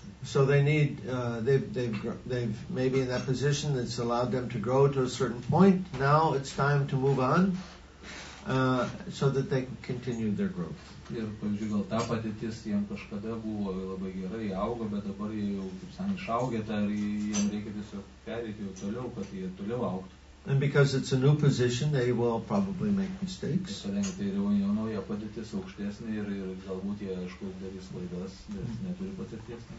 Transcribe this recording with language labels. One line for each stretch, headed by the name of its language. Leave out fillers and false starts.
English: So they need they've maybe in that position that's allowed them to grow to a certain point. Now it's time to move on so that they can continue their growth.
Lithuanian: Ir pavyzdžiui, gal ta patirtis jiem kažkada buvo labai gerai, augo, bet dabar jie jau kaip sen išaugė, ar jiem reikia tiesiog perėti jau toliau, kad jie toliau augtų.
English: And because it's a new position, they will probably make mistakes.
Lithuanian: Kadangi tai yra jau nauja padėtis aukštesnė ir galbūt jie, aišku, darys klaidas, nes neturi patirties.